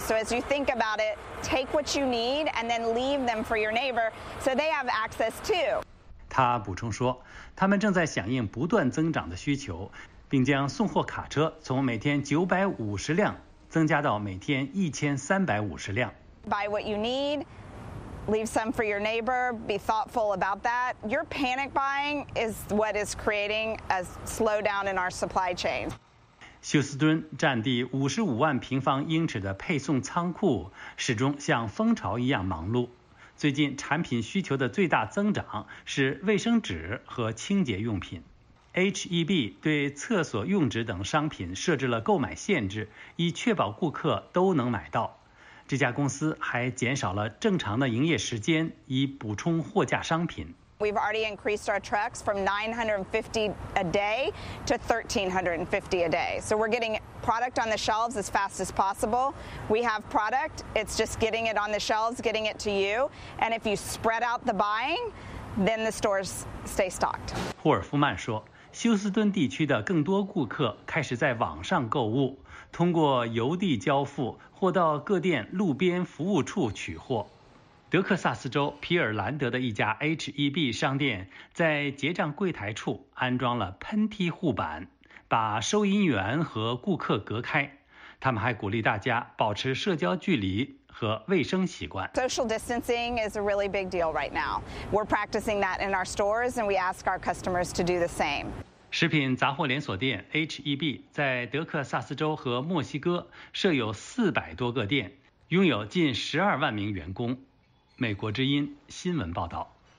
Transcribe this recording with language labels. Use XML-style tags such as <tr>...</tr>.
<en>So as you think about it, take what you need and then leave them for your neighbor so they have access too.</en> <zh>他补充说，他们正在响应不断增长的需求，并将送货卡车从每天950辆增加到每天1350辆。</zh> <en>Buy what you need, leave some for your neighbor, be thoughtful about that. Your panic buying is what is creating a slowdown in our supply chain.</en> <zh>休斯敦占地55万平方英尺的配送仓库始终像蜂巢一样忙碌。最近产品需求的最大增长是卫生纸和清洁用品。 HEB 对厕所用纸等商品设置了购买限制，以确保顾客都能买到。这家公司还减少了正常的营业时间，以补充货架商品。</zh> <en>We've already increased our trucks from 950 a day to 1350 a day. So we're getting product on the shelves as fast as possible. We have product. It's just getting it on the shelves, getting it to you. And if you spread out the buying, then the stores stay stocked.</en> <zh>霍尔夫曼说，休斯敦地区的更多顾客开始在网上购物，通过邮递交付或到各店路边服务处取货。德克萨斯州皮尔兰德的一家 HEB 商店在结账柜台处安装了喷嚏护板，把收银员和顾客隔开。他们还鼓励大家保持社交距离和卫生习惯。</zh> <en>Social distancing is a really big deal right now. We're practicing that in our stores, and we ask our customers to do the same.</en> <zh>食品杂货连锁店 HEB 在德克萨斯州和墨西哥设有400多个店，拥有近12万名员工。美国之音新闻报道。</zh>